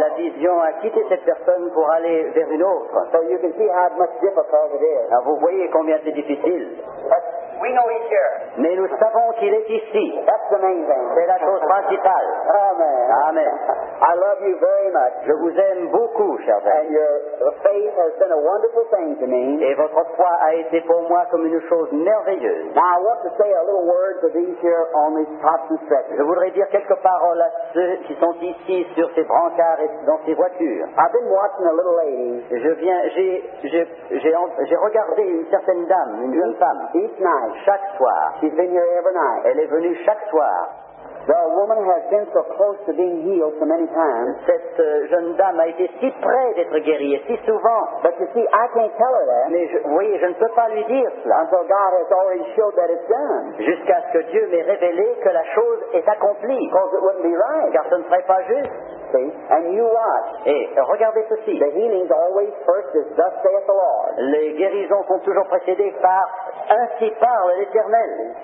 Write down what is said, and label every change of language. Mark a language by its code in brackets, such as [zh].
[fr] La vision a quitté cette personne pour aller vers une autre. [en] So you can see how much difficult it is. [fr] Alors vous voyez combien c'est difficile. [en] We know he's here. [fr] Mais nous savons qu'il est ici. [en] That's the main thing. [fr] C'est la chose principale. Amen. Amen. [en] I love you very much. [fr] Je vous aime beaucoup, cher frère. [en] And your faith has been a wonderful thing to me. [fr] Et votre foi a été pour moi comme une chose merveilleuse. [en] Now I want to say a little word to these here on these tops and stretchers. [fr] Je voudrais dire quelques paroles à ceux qui sont ici sur ces brancards et dans ces voitures. [en] I've been watching a little lady. [fr] J'ai regardé une certaine dame, une femme. [en] Each night. [fr] Chaque soir. [en] She's been here every night. [fr] Elle est venue chaque soir. [en] The woman has been so close to being healed so many times. [fr] Cette jeune dame a été si près d'être guérie et si souvent. [en] But you see, I can't tell her that. [fr] Mais je ne peux pas lui dire cela. [en] Until God has already showed that it's done. [fr] Jusqu'à ce que Dieu m'ait révélé que la chose est accomplie. [en] Because it wouldn't be right. [fr] Car ce ne serait pas juste. [en] see, and you watch. [fr] Et regardez ceci. [en] The healings always first is thus saith the Lord. [fr] Les guérisons sont toujours précédées par ainsi parle l'Éternel.